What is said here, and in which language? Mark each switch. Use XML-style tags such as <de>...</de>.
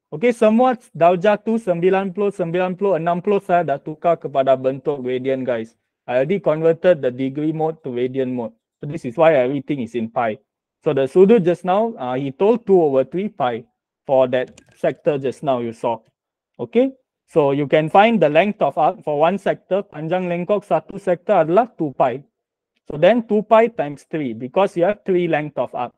<ms>Okay, semua dah jatuh 90, 90, 60 saya dah tukar kepada bentuk radian, guys.</ms> <en>I already converted the degree mode to radian mode. So this is why everything is in pi. So the sudut just now, he told 2 over 3 pi for that sector just now you saw. Okay, so you can find the length of arc for one sector.</en> <ms>Panjang lengkok satu sector adalah 2 pi.</ms> <en>So then 2 pi times 3 because you have 3 length of arc.</en>